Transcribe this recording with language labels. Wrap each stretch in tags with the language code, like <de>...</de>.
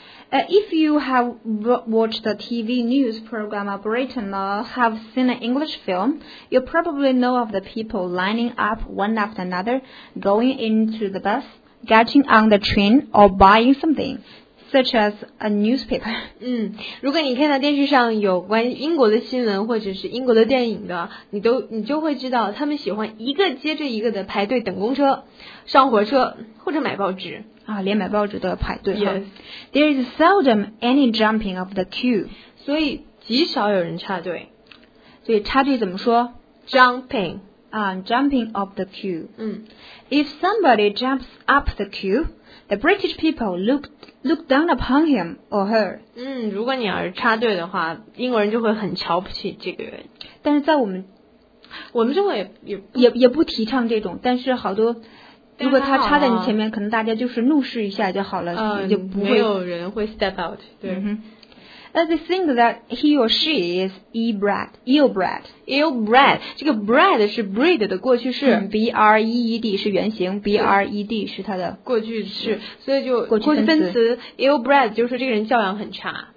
<en>If you have watched the TV news program of Britain or have seen an English film, you probably know of the people lining up one after another, going into the bus, getting on the train, or buying something. Such as a newspaper.</en> <zh>如果你看到电视上有关英国的新闻或者是英国的电影的，你就会知道他们喜欢一个接着一个的排队等公车、上火车或者买报纸啊，连买报纸都要排队。</zh> <en>Yes, there is seldom any jumping of the queue.</en> <zh>所以极少有人插队。所以插队怎么说</zh> <en>？Jumping 啊、，jumping of the queue. 嗯，If somebody jumps up the queue, the British people look down upon him or her.</en> <zh>如果你要是插队的话，英国人就会很瞧不起这个人。但是在我们中国也不提倡这种，但是好多如果他插在你前面，可能大家就是怒视一下就好了，就不会没有人会 step out。</zh> <en>As they think that he or she is ill-bred.</en> <zh>这个 bred 是 breed 的过去式。 B-R-E-E-D 是原型 ，B-R-E-D 是它的过去式。所以就过去分词 ill-bred 就是这个人教养很差。</zh>